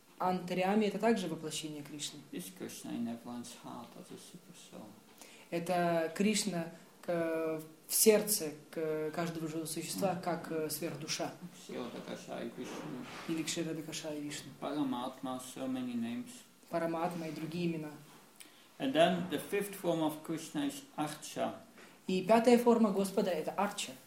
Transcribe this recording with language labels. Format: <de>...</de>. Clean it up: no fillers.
<ru>Антаряме — это также воплощение Кришны.</ru> <en>It's Krishna in everyone's heart as a super soul.</en> <ru>Это Кришна в сердце каждого живого существа, yeah, как сверхдуша. Кшира-дакаша и Вишну. Или Кшира-дакаша и Вишну.</ru> <en>Парамаатма, so many names.</en> <ru>Парамаатма и другие имена.</ru> <en>And then the fifth form of Krishna is Archa.</en> <ru>И пятая форма Господа — это Арча.</ru>